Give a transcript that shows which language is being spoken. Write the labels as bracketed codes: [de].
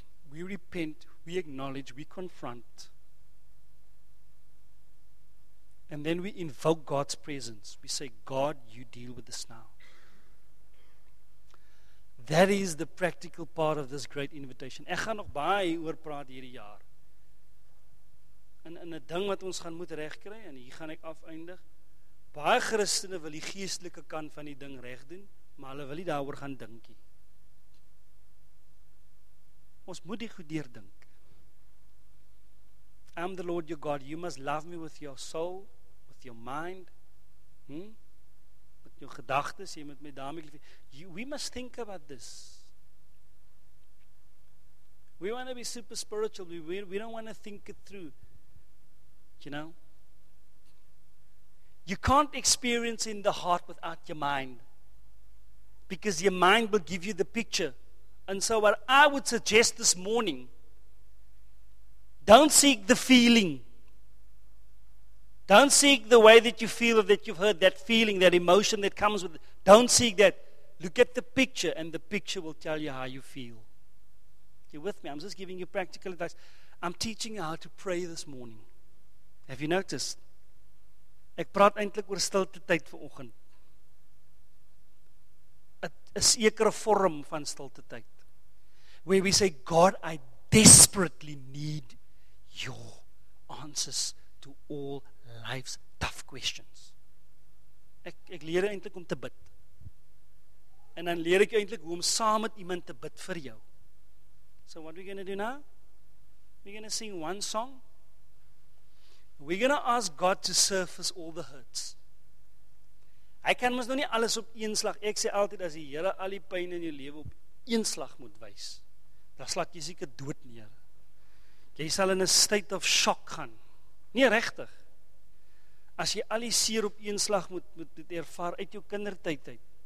[en] We repent, we acknowledge, we confront. And then we invoke God's presence. We say, God, you deal with this now. That is the practical part of this great invitation. [af] Ek gaan nog baie oor praat hierdie jaar. En 'n ding wat ons gaan moet regkry, en hier gaan ek afeindig, baie Christene wil die geestelike kant van die ding reg doen, maar hulle wil nie daaroor gaan dinkie. Ons moet die goed deurdink. [en] I'm the Lord your God. You must love me with your soul, with your mind, with your gedagtes. You must me love. We must think about this. We want to be super spiritual. We don't want to think it through. You know? You can't experience in the heart without your mind, because your mind will give you the picture. And so what I would suggest this morning, don't seek the feeling. Don't seek the way that you feel, that you've heard, that feeling, that emotion that comes with it. Don't seek that. Look at the picture, and the picture will tell you how you feel. You're with me? I'm just giving you practical advice. I'm teaching you how to pray this morning. Have you noticed? [af] Ek praat eintlik oor stilte tyd vanoggend. 'N sekere vorm van stilte tyd. [en] Where we say, God, I desperately need your answers to all life's tough questions. [af] Ek leer eintlik om te bid. En dan leer ek eintlik hoe om saam met iemand te bid vir jou. [en] So what are we going to do now? We're going to sing one song. We're going to ask God to surface all the hurts. [af] Hy kan mos nou nie alles op een slag. Ek sê altyd, as die Here al die pyn in jou lewe op een slag moet wys, dan slak jy seker dood neer. Jy sal in 'n [en] state of shock [af] gaan. Nee, regtig. As jy al die seer op een slag moet ervaar uit jou kindertyd uit.